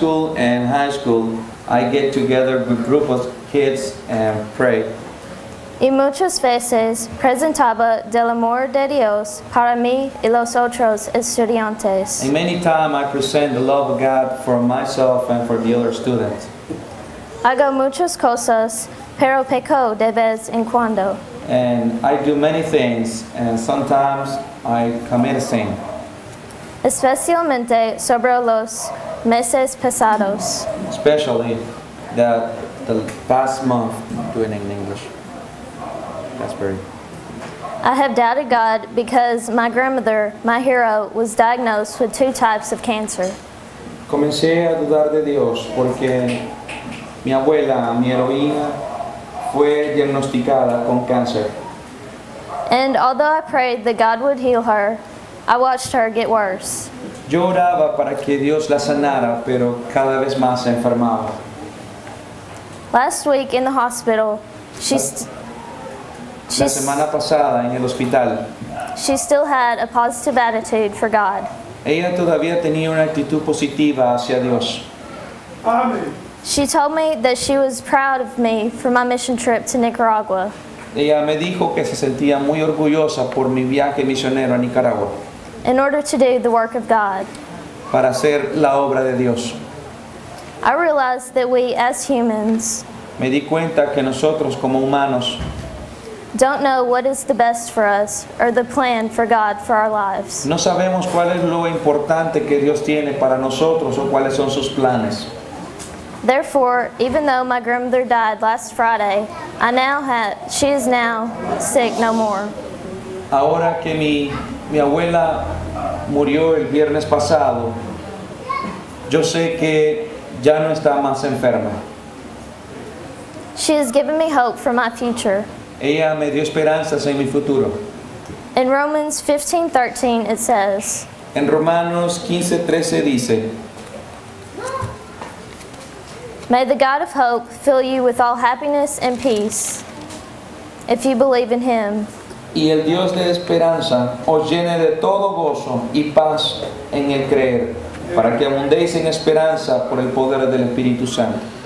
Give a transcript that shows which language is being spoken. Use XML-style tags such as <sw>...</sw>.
<en>Middle and high school, I get together with a group of kids and pray.</en> <es>Y muchas veces presentaba del amor de Dios para mí y los otros estudiantes.</es> <en>And many times I present the love of God for myself and for the other students.</en> <es>Hago muchas cosas, pero peco de vez en cuando.</es> <en>And I do many things, and sometimes I commit a sin.</en> <es>Especialmente sobre los meses pasados.</es> <en>Especially the past month, doing it in English. I have doubted God because my grandmother, my hero, was diagnosed with 2 types of cancer.</en> <es>Comencé a dudar de Dios porque mi abuela, mi heroína, fue diagnosticada con cáncer.</es> <en>And although I prayed that God would heal her, I watched her get worse.</en> <es>Yo oraba para que Dios la sanara, pero cada vez más se enfermaba.</es> <en>Last week in the hospital, she still had a positive attitude for God.</en> <es>Ella todavía tenía una actitud positiva hacia Dios.</es> <en>Amen. She told me that she was proud of me for my mission trip to Nicaragua.</en> <es>Ella me dijo que se sentía muy orgullosa por mi viaje misionero a Nicaragua.</es> <en>In order to do the work of God.</en> <es>Para hacer la obra de Dios.</es> <en>I realized that we as humans.</en> <es>Me di cuenta que nosotros como humanos.</es> <en>Don't know what is the best for us or the plan for God for our lives.</en> <es>No sabemos cuál es lo importante que Dios tiene para nosotros o cuáles son sus planes.</es> <en>Therefore, even though my grandmother died last Friday, she is now sick no more.</en> <es>Ahora que mi abuela murió el viernes pasado, yo sé que ya no está más enferma.</es> <en>She has given me hope for my future.</en> <es>Ella me dio esperanzas en mi futuro.</es> <en>In Romans 15:13 it says.</en> <es>En Romanos 15:13 dice.</es> <en>May the God of hope fill you with all happiness and peace if you believe in him.</en> <es>Y el Dios de esperanza os llene de todo gozo y paz en el creer, para que abundéis en esperanza por el poder del Espíritu Santo.</es>